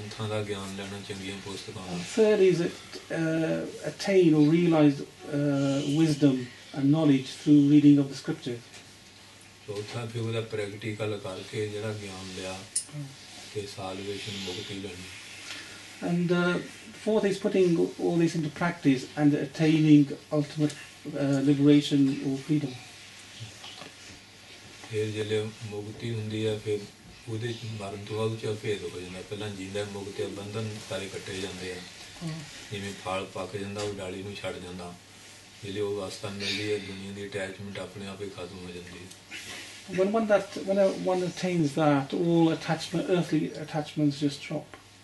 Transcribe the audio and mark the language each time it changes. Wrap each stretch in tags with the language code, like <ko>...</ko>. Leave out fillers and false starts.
<en>Third is attain or realize wisdom and knowledge through reading of the scriptures.</en> <pa>ਚੌਥਾ ਵੀ ਉਹਦਾ practical ਕਰਕੇ ਜਿਹੜਾ ਗਿਆਨ ਲਿਆ ਤੇ ਸਾਲਵੇਸ਼ਨ ਮੁਕਤੀ ਲੈਣੀ</pa> <en>and fourth is putting all this into practice and attaining ultimate liberation or freedom</en> <pa>ਫਿਰ ਜਦੋਂ ਮੁਕਤੀ ਹੁੰਦੀ ਹੈ ਫਿਰ ਉਹਦੇ ਮਰਨ ਤੋਂ ਬਾਅਦ ਚਲ ਭੇਦ ਹੋ ਜਾਂਦਾ ਪਹਿਲਾਂ ਜਿੰਦਾ ਮੁਕਤੀ ਬੰਧਨ ਸਾਰੇ ਕੱਟੇ ਜਾਂਦੇ ਆ ਜਿਵੇਂ ਫਲ ਪੱਕ ਜਾਂਦਾ ਉਹ ਡਾਲੀ ਨੂੰ ਛੱਡ ਜਾਂਦਾ ਜਿਹੜੀ ਉਹ ਅਵਸਥਾ ਮਿਲਦੀ ਹੈ ਦੁਨੀਆ ਦੀ ਅਟੈਚਮੈਂਟ ਆਪਣੇ ਆਪ ਹੀ ਖਤਮ ਹੋ ਜਾਂਦੀ ਹੈ</pa> <en>When one attains that, all attachment, earthly attachments just drop.</en>